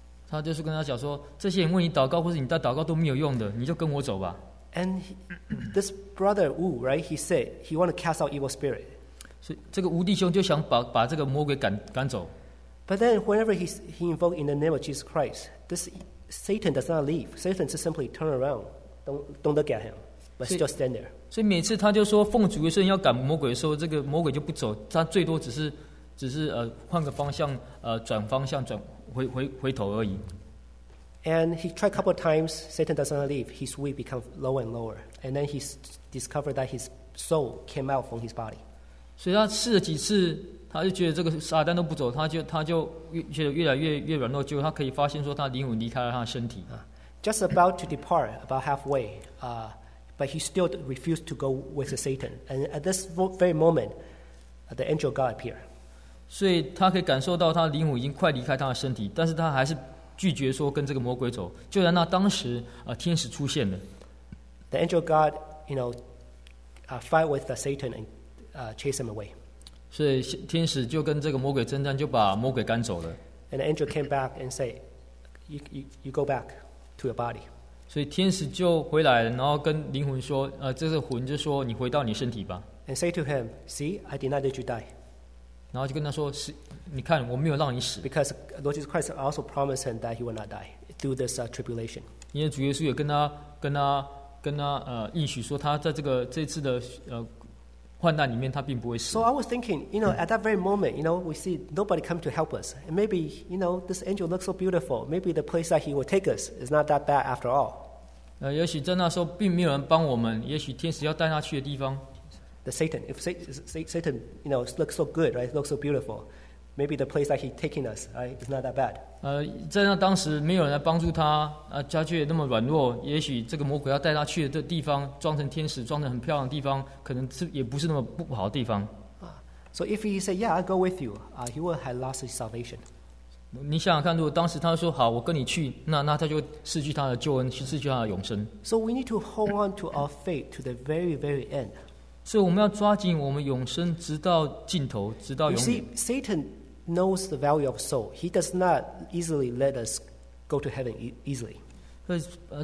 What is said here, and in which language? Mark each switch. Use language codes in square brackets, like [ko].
[zh] 他就是跟他讲说，这些人为你祷告或是你在祷告都没有用的，你就跟我走吧。 [en] And this brother Wu, right? He said he want to cast out evil spirit. [zh] So, 这个吴弟兄就想把这个魔鬼赶走。 [en] But then, whenever he invoked in the name of Jesus Christ, this Satan does not leave. Satan just simply turn around, don't look at him, but still stand there. [zh] 所以每次他就说奉主耶稣要赶魔鬼的时候，这个魔鬼就不走，他最多只是换个方向，转方向，转回头而已。 [en] And he tried a couple of times, Satan does not leave. His weight becomes lower and lower. And then he discovered that his soul came out from his body. [zh] 所以他试了几次，他就觉得这个撒旦都不走，他就觉得越来越软弱，结果他可以发现说他灵魂离开了他的身体。 [en] Just about to depart, about halfway, but he still refused to go with Satan. And at this very moment, the angel of God appeared. [zh] 所以他可以感受到他灵魂已经快离开他的身体，但是他还是拒绝说跟这个魔鬼走，就在那当时，天使出现了。 [en] The angel of God, fight with the Satan and chase him away. [zh] 所以天使就跟这个魔鬼征战，就把魔鬼赶走了。 [en] And the angel came back and said, "You go back to your body." [zh] 所以天使就回来了，然后跟灵魂说，这个魂就说，你回到你身体吧。 [en] And say to him, "See, I did not let you die." [zh] 然后就跟他说，你看，我没有让你死。 [en] Because Lord Jesus Christ also promised him that he will not die through this tribulation. [zh] 因为主耶稣也跟他应许说，他在这次的患难里面，他并不会死。 [en] So I was thinking, at that very moment, we see nobody come to help us, and maybe, this angel looks so beautiful. Maybe the place that he will take us is not that bad after all. [zh] 也许在那时候并没有人帮我们，也许天使要带他去的地方。 [en] The Satan, if Satan, looks so good, right? Looks so beautiful. Maybe the place that he's taking us, right, is not that bad. [zh] 在那当时没有人来帮助他，家却那么软弱，也许这个魔鬼要带他去的地方，装成天使，装成很漂亮的地方，可能也不是那么不好的地方。 [en] So if he said, "Yeah, I'll go with you," he would have lost his salvation. [zh] 你想想看，如果当时他说好，我跟你去，那他就失去他的救恩，失去他的永生。 [en] So we need to hold on to our faith to the very, very end. [zh] 所以我们要抓紧我们永生，直到尽头，直到永远。 [en] You see, Satan knows the value of soul. He does not easily let us go to heaven easily.